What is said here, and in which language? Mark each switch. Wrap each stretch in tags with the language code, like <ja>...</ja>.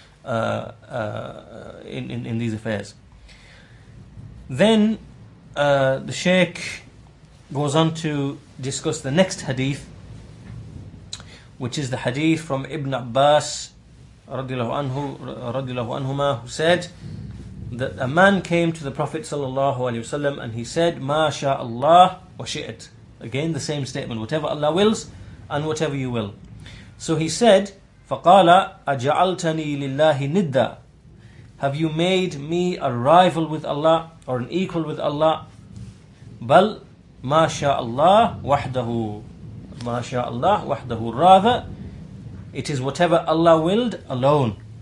<en>In these affairs. Then the Shaykh goes on to discuss the next hadith, which is the hadith from Ibn Abbas radiallahu anhuma, who said that a man came to the Prophet sallallahu alayhi wasallam and he said,</en> <ar>"Ma sha Allah wa shi'at."</ar> <en>Again, the same statement: whatever Allah wills and whatever you will. So he said,</en> <ar>فَقَالَ أَجَعَلْتَنِي لِلَّهِ نِدَّا.</ar> <en>Have you made me a rival with Allah or an equal with Allah?</en> <ar>بَلْ مَا شَاءَ اللَّهُ وَحْدَهُ. مَا شَاءَ اللَّهُ وَحْدَهُ.</ar> <en>Rather, it is whatever Allah willed alone.</en>